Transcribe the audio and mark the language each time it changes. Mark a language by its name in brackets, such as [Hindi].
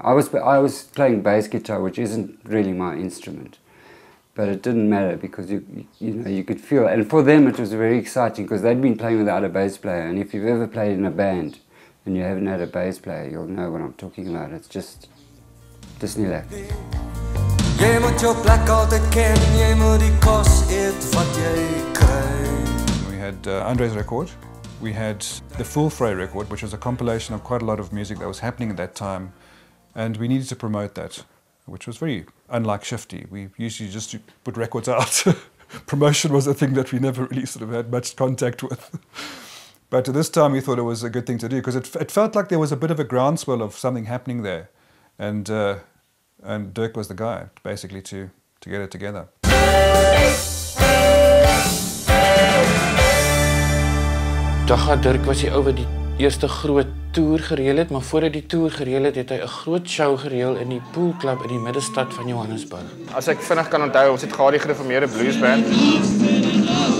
[English] I was playing bass guitar, which isn't really my instrument, but it didn't matter because you could feel. And for them, it was very exciting because they'd been playing without a bass player, and if you've ever played in a band and you haven't had a bass player, you'll know what I'm talking about. It's just Disneyland. [Afrikaans] Jy moet jou plek altijd ken, jy moet die kos eet wat jy krijg. [English] We had Andre's record. We had the Fool Frey record, which was a compilation of quite a lot of music that was happening at that time. And we needed to promote that, which was very unlike Shifty. We usually just put records out. Promotion was a thing that we never really sort of had much contact with. But this time we thought it was a good thing to do because it felt like there was a bit of a groundswell of something happening there. And Dirk was the guy, basically, to get it together. [Afrikaans] Daga Dirk was die ou wat die eerste groot tour gereël het, maar voordat die tour gereël het, het hy 'n groot show gereël in die Pool Club in die middestad van Johannesburg. As ek vinnig kan onthou, ons het gehad die gereformeerde blues band.